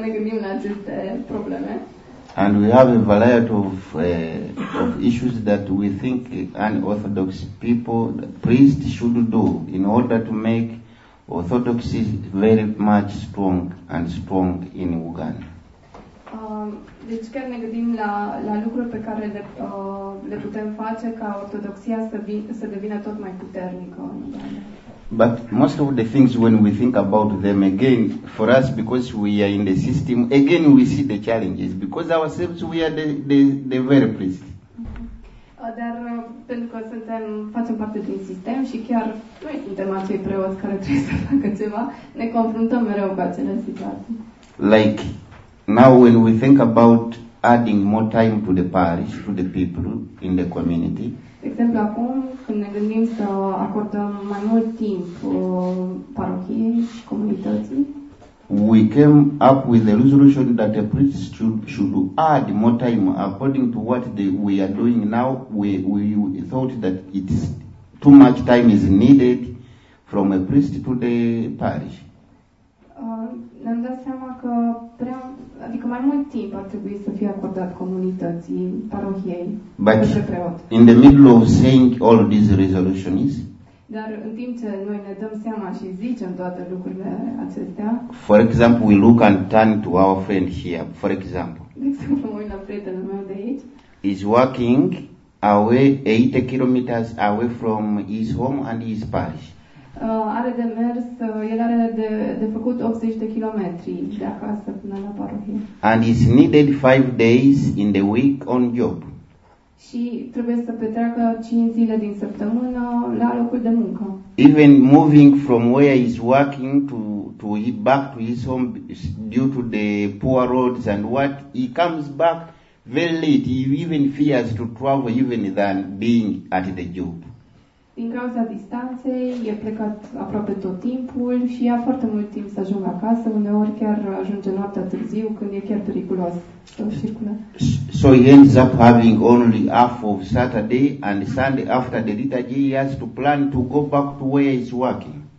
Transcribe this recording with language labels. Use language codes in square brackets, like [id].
[en] And we have a variety of issues that we think unorthodox people, priests, should do in order to make orthodoxy very much strong in Uganda. [ro] Deci chiar ne gândim la lucruri pe care le putem face ca ortodoxia să devină tot mai puternică. [en] But most of the things when we think about them again, for us, because we are in the system, again we see the challenges, because ourselves we are the very priest. [ro] Dar pentru că facem parte din sistem și chiar noi suntem acei preoți care trebuie să facă ceva, ne confruntăm mereu cu acele situații. [en] Like, now when we think about adding more time to the parish, to the people in the community. [ro] De exemplu, acum când ne gândim să acordăm mai mult timp parohiei și comunității, [en] we came up with the resolution that a priest should add more time according to what we are doing now. We thought that it's too much time is needed from a priest to the parish. [ro] Ne-am dat seama că adică mai mult timp ar trebui să fie acordat comunității, parohiei, [en] but [ro] către preot. [en] In the middle of saying all these resolutions, [ro] dar în timp ce noi ne dăm seama și zicem toate lucrurile acestea, [en] for example, we look and turn to our friend here, for example. [ro] De exemplu, mă uit la prietenul meu de aici. [en] He's working away 8 kilometers away from his home and his parish. [ro] Are de mers, el are de făcut 80 de kilometri de acasă până la parohie. [en] And is needed 5 days in the week on job. [ro] Și trebuie să petreacă 5 zile din săptămână la locul de muncă. [en] Even moving from where he's working to back to his home due to the poor roads and what, he comes back very late. He even fears to travel even than being at the job. [ro] Din cauza distanței, e plecat aproape tot timpul și ia foarte mult timp să ajungă acasă, uneori chiar ajunge noaptea târziu, când e chiar periculos să circule. [en] So he ends up having only half of Saturday and Sunday after the liturgy, he has to plan to go back to where he's working.